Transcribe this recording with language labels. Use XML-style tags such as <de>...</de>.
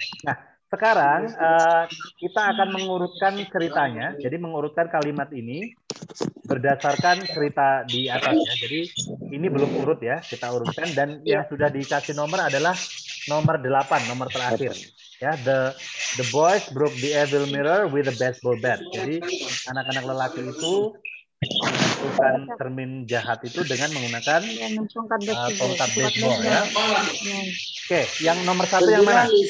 <id>Nah, sekarang kita akan mengurutkan ceritanya. Jadi mengurutkan kalimat ini berdasarkan cerita di atasnya. Jadi ini belum urut ya, kita urutkan. Dan yang sudah dikasih nomor adalah nomor 8, nomor terakhir.</id> <en>Ya, the boys broke the evil mirror with a baseball bat.</en> <id>Jadi anak-anak lelaki itu menghancurkan cermin jahat itu dengan menggunakan tongkat baseball ya. Oke, yang nomor 1 yang mana?</id>